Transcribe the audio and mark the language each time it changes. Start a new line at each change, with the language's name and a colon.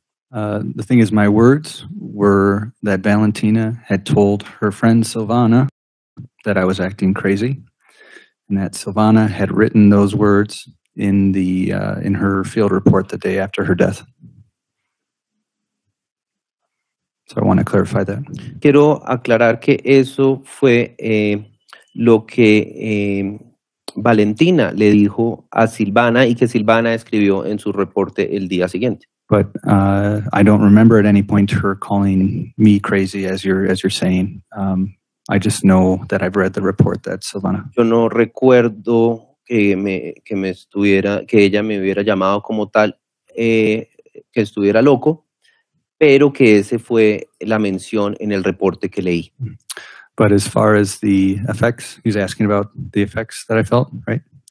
English: The thing is, my words were that Valentina had told her friend Silvana that I was acting crazy, and that Silvana had written those words in the in her field report the day after her death. So I want to clarify that.
Spanish: Quiero aclarar que eso fue lo que Valentina le dijo a Silvana y que Silvana escribió en su reporte el día siguiente.
English: But I don't remember at any point her calling me crazy, as you're saying. I just know that I've read the report that Silvana.
Spanish: Yo no recuerdo que ella me hubiera llamado como tal, que estuviera loco, pero que ese fue la mención en el reporte que leí.
English: But as far as the effects, he's asking about the effects that I felt, right?